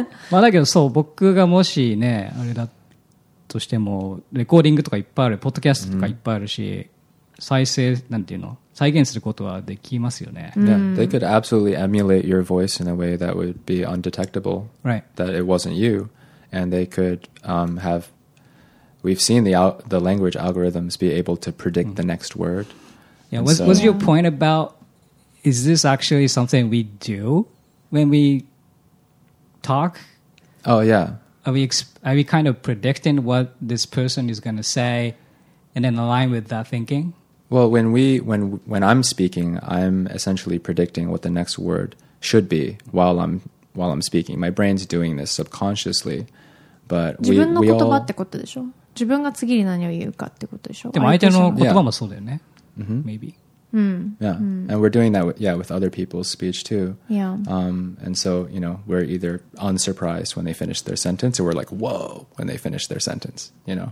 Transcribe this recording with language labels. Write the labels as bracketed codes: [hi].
[ja] まあだけどそう、僕がもしね、あれだとしても、レコーディングとかいっぱいある、ポッドキャストとかいっぱいあるし、再生、なんていうの、再現することはできますよね。 [en] Yeah, they could absolutely emulate your voice in a way that would be undetectable. Right. That it wasn't you. And they could have, we've seen the language algorithms be able to predict the next word. Yeah, what's your point about, is this actually something we do when we talk? Oh yeah. Are we kind of predicting what this person is going to say and then align with that thinking? Well, when I'm speaking, I'm essentially predicting what the next word should be while I'm speaking. My brain's doing this subconsciously. But [ja] 自分の言葉ってことでしょ？自分が次に何を言うかってことでしょ？でも相手の言葉もそうだよね。 [en] Maybe. Yeah. And we're doing that with other people's speech too. Yeah. And so, you know, we're either unsurprised when they finish their sentence or we're like, whoa, when they finish their sentence, you know?